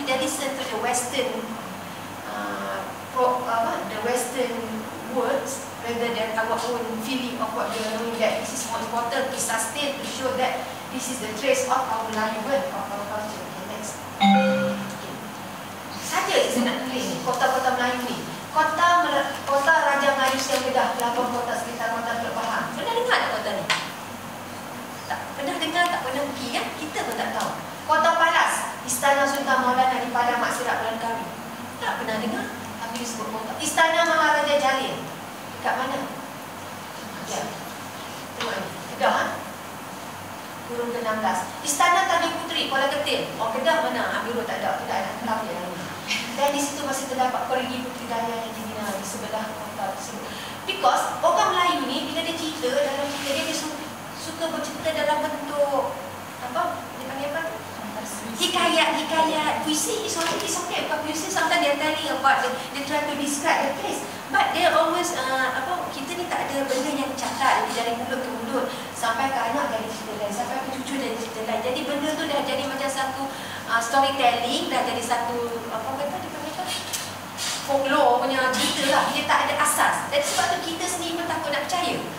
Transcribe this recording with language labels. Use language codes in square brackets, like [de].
[en] They listen to the Western, the Western words rather than our own feeling of what we are doing. That this is more important to sustain, to show that this is the trace of our livelihood, of our culture. Okay, next. [ms] Saja itu nak tulis kota-kota Melayu ni. Kota Raja Melayu yang sudah pelabur kota sekitar kota Teluk Bahan. Pernah dengar tak kota ni? Tak pernah dengar, tak pernah pergi ya? Kita pun tak tahu. Kota Palas, Istana Sultan Maulana di Padang Mak Sirat Bulan Kami. Tak pernah dengar, tapi disebut kota. Istana Maharaja Jalil. Dekat mana? Ya. Kedah, ha? Kurung ke 16. Istana Tanjung Puteri, Kuala Ketil. Oh, Kedah mana? Ambil tak ada. Tidak ada. Tidak ada. Dan di situ masih terdapat Perigi Puteri Dayang yang dibina di sebelah kota tersebut. Because orang Melayu ni bila dia cerita dalam cerita dia, dia suka bercerita dalam bentuk apa? Dia panggil apa? Hikayat-hikayat. Puisi [en] is okay, it's okay. [ms] Bukan puisi, [en] sometimes they're telling about the, they try to describe the place. But they always, [ms] apa, kita ni tak ada benda yang catat dari mulut ke mulut. Sampai ke anak dari cerita lain, sampai ke cucu dari cerita lain. Jadi benda tu dah jadi macam satu storytelling, dah jadi satu apa kata dia panggil apa? Folklore punya cerita lah. Dia tak ada asas. Jadi sebab tu kita sendiri pun takut nak percaya.